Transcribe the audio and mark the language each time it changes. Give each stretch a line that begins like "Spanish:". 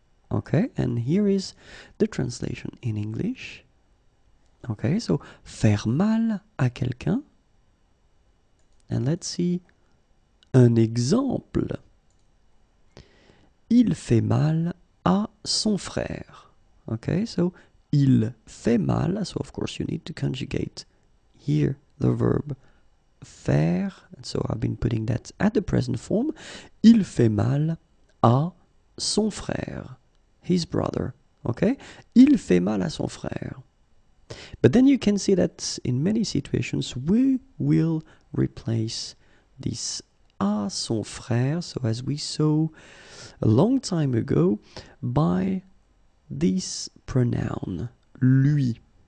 English: Okay, and here is the translation in English.
French: Okay, so faire mal à quelqu'un.
English: And let's see an example.
French: Il fait mal à son frère. Okay, so il fait mal.
English: So of course you need to conjugate here the verb faire. And so I've been putting that at the present form.
French: Il fait mal à son frère.
English: His brother.
French: Okay, il fait mal à son frère.
English: But then you can see that in many situations we will replace this
French: à son frère,
English: so as we saw a long time ago, by this pronoun, lui.